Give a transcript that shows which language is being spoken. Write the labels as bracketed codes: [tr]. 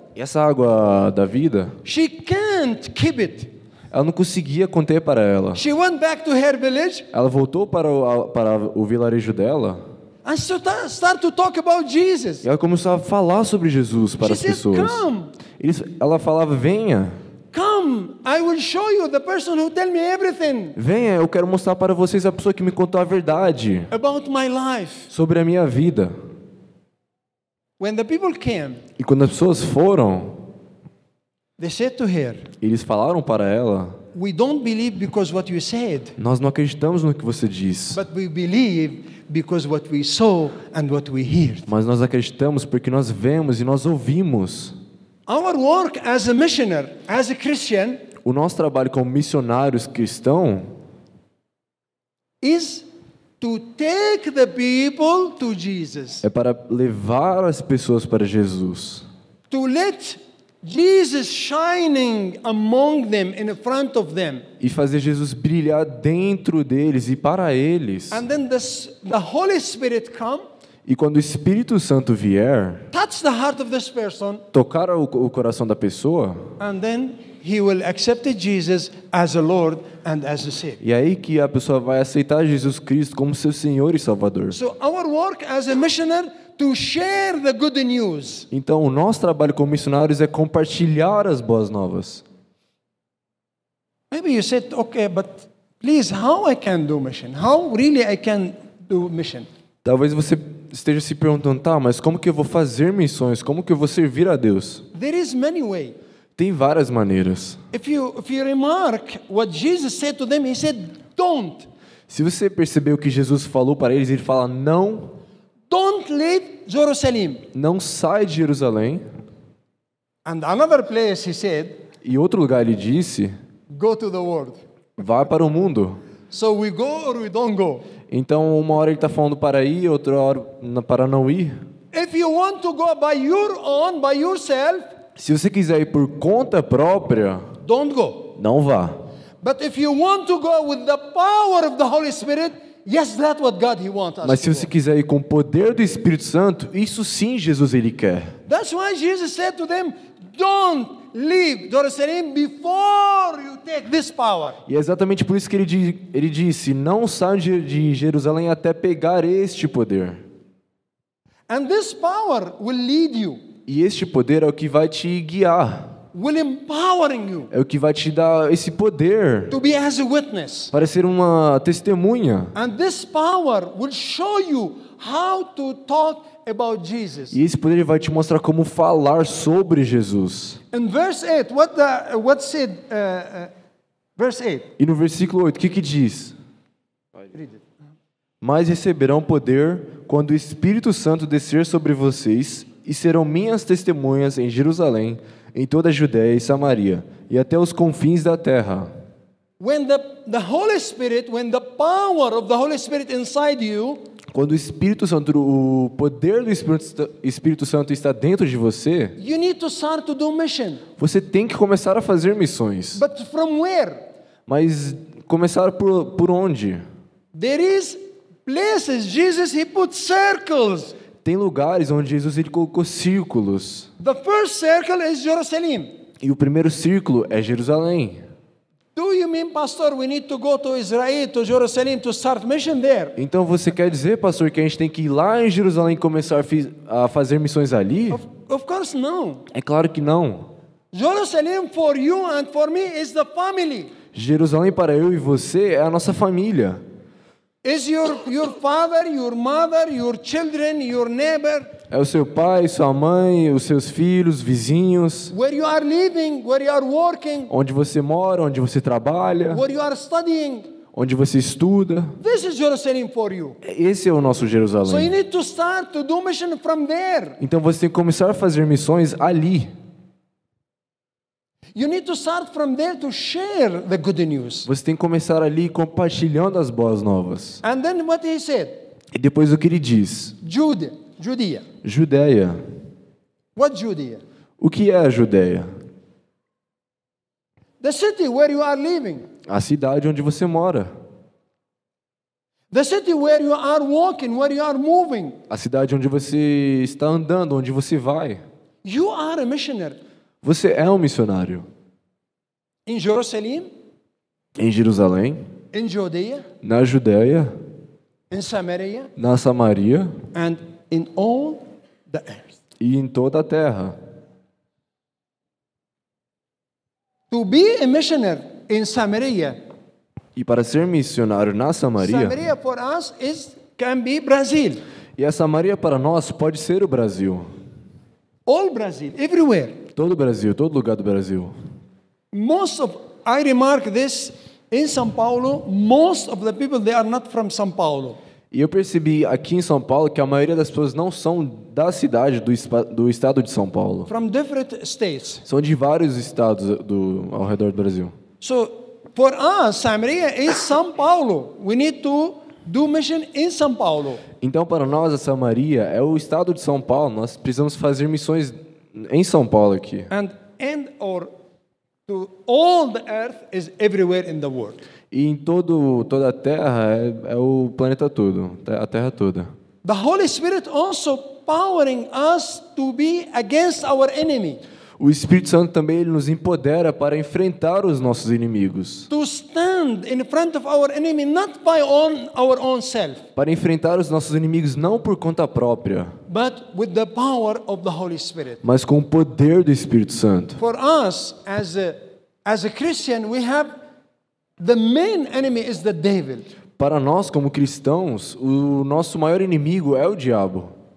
[pt] e essa água da vida, [en] she can't keep it. [pt] Ela não conseguia conter para ela. [en] She went back to her village. [pt] Ela voltou para o vilarejo dela. [en] And she start to talk about Jesus. [pt] E ela começou a falar sobre Jesus para [en] she [pt] as pessoas. [en] Said, come. [pt] Ela falava, venha. [en] Come, I will show you the person who tell me everything. [pt] Venha, eu quero mostrar para vocês a pessoa que me contou a verdade. [en] About my life. [pt] Sobre a minha vida. [en] When the people came. [pt] E quando as pessoas foram. [en] They said to her. [pt] Eles falaram para ela. [en] We don't believe because what you said. [pt] Nós não acreditamos no que você diz. [en] But we believe because what we saw and what we heard. [pt] Mas nós acreditamos porque nós vemos e nós ouvimos. [en] Our work as a missionary, as a Christian, [pt] o nosso trabalho como missionários cristãos, [en] is to take the people to Jesus. [pt] É para levar as pessoas para Jesus. [en] To let Jesus shining among them, in front of them. [pt] E fazer Jesus brilhar dentro deles e para eles. [en] And then the Holy Spirit come. [pt] E quando o Espírito Santo vier, [en] touch the heart of this person, [pt] tocar o coração da pessoa, [en] and then he will accept Jesus as a Lord and as a Savior. [pt] E aí que a pessoa vai aceitar Jesus Cristo como seu Senhor e Salvador. [en] So our work as a missionary to share the good news. [pt] Então o nosso trabalho como missionários é compartilhar as boas novas. [en] Maybe you said, okay, but please, how I can do mission? How really I can do mission? [pt] Talvez você esteja se perguntando, tá, mas como que eu vou fazer missões? Como que eu vou servir a Deus? [en] There is many way. [pt] Tem várias maneiras. [en] If you remark what Jesus said to them, he said, don't. [pt] Se você perceber o que Jesus falou para eles, ele fala, não. [en] Don't leave Jerusalem. [pt] Não sai de Jerusalém. [en] And another place he said. [pt] E outro lugar ele disse. [en] Go to the world. [pt] Vá para o mundo. [en] So we go or we don't go. [pt] Então, uma hora ele está falando para ir, outra hora para não ir. [en] If you want to go by your own, by yourself, [pt] se você quiser ir por conta própria, [en] don't go. [pt] Não vá. [en] But if you want to go with the power of the Holy Spirit, yes, that's what God he wants us. [pt] Mas se você quiser ir com o poder do Espírito Santo, isso sim Jesus ele quer. [en] That's why Jesus said to them, don't leave Jerusalem before you take this power. [pt] E é exatamente por isso que ele disse, não saia de Jerusalém até pegar este poder. [en] And this power will lead you. [pt] E este poder é o que vai te guiar. [en] Will empowering you. [pt] É o que vai te dar esse poder. [en] To be as a witness. [pt] Para ser uma testemunha. [en] And this power will show you how to talk about Jesus. [pt] E esse poder vai te mostrar como falar sobre Jesus. [en] In verse 8, what said verse 8? [pt] E no versículo 8, o que diz? [en] Read it. [pt] Mas receberão poder quando o Espírito Santo descer sobre vocês e serão minhas testemunhas em Jerusalém, em toda a Judéia e Samaria e até os confins da terra. [en] When the Holy Spirit, when the power of the Holy Spirit inside you, [pt] quando o Espírito Santo, o poder do Espírito Santo está dentro de você, [en] you need to start to do mission. [pt] Você tem que começar a fazer missões. [en] But from where? [pt] Mas começar por onde? [en] There is Places Jesus he put circles. [pt] Tem lugares onde Jesus ele colocou círculos. [en] The first circle is Jerusalem. [pt] E o primeiro círculo é Jerusalém. [en] Do you mean, pastor, we need to go to Israel, to Jerusalem, to start mission there? [pt] Então você quer dizer, pastor, que a gente tem que ir lá em Jerusalém e começar a fazer missões ali? [en] Of course, [pt] não. É claro que não. [en] Jerusalem for you and for me is the family. [pt] Jerusalém para eu e você é a nossa família. [en] Is your father, your mother, your children, your neighbor? [pt] É o seu pai, sua mãe, os seus filhos, vizinhos. [en] Where you are living, where you are working? [pt] Onde você mora, onde você trabalha? [en] Where you are studying? [pt] Onde você estuda? [en] This is Jerusalem for you. [pt] Esse é o nosso Jerusalém. [en] So you need to start to do mission from there. [pt] Então você tem que começar a fazer missões ali. [en] You need to start from there to share the good news. [pt] Você tem que começar ali compartilhando as boas novas. [en] And then what he said? [pt] E depois o que ele diz? [en] Judeia. [pt] Judeia. [en] What Judeia? [pt] O que é a Judeia? [en] The city where you are living. [pt] A cidade onde você mora. [en] The city where you are walking, where you are moving. [pt] A cidade onde você está andando, onde você vai. [en] You are a missionary. [pt] Você é um missionário. [en] In Jerusalem? [pt] Em Jerusalém? [en] In Judea? [pt] Na Judeia? [en] In Samaria? [pt] Na Samaria? [en] And in all the earth. [pt] E em toda a terra. [en] To be a missionary in Samaria. [pt] E para ser missionário na Samaria? [en] Samaria for us is can be Brazil. [pt] E a Samaria para nós pode ser o Brasil. [en] All Brazil, everywhere. [pt] Todo o Brasil, todo lugar do Brasil. [en] Most of, I remark this in São Paulo, most of the people they are not from São Paulo. [pt] E eu percebi aqui em São Paulo que a maioria das pessoas não são da cidade do estado de São Paulo. [en] From different states. [pt] São de vários estados do ao redor do Brasil. [en] So, for us, Samaria is São Paulo. We need to do mission in São Paulo. [pt] Então, para nós, a Samaria é o estado de São Paulo. Nós precisamos fazer missões em São Paulo aqui. [en] And or to all the earth is everywhere in the world. [pt] E em toda a terra é o planeta todo, a terra toda. [en] The Holy Spirit also powering us to be against our enemy. [pt] O Espírito Santo também ele nos empodera para enfrentar os nossos inimigos. [en] To stand in front of our enemy not by our own self. [pt] Para enfrentar os nossos inimigos não por conta própria. [en] But with the power of the Holy Spirit. [pt] Mas com o poder do Espírito Santo. [en] For us as a Christian we have the main enemy is the devil. [pt] Para nós como cristãos, o nosso maior inimigo é o diabo.